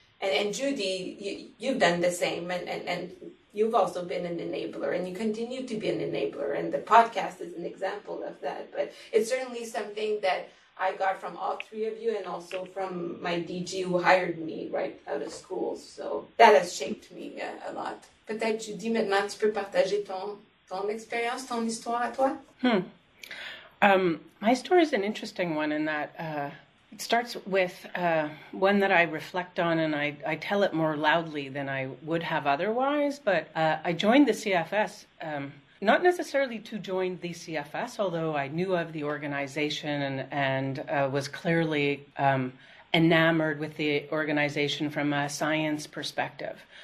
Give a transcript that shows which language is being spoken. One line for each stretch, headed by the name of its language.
English: And Judi, you've done the same, and you've also been an enabler, and you continue to be an enabler, and the podcast is an example of that. But it's certainly something that I got from all three of you, and also from my DG who hired me right out of school. So that has shaped me a lot.
French: Peut-être, Judi, maintenant, tu peux partager ton expérience, ton histoire à toi?
English: My story is an interesting one in that it starts with one that I reflect on, and I tell it more loudly than I would have otherwise, but I joined the CFS, not necessarily to join the CFS, although I knew of the organization and was clearly enamored with the organization from a science perspective.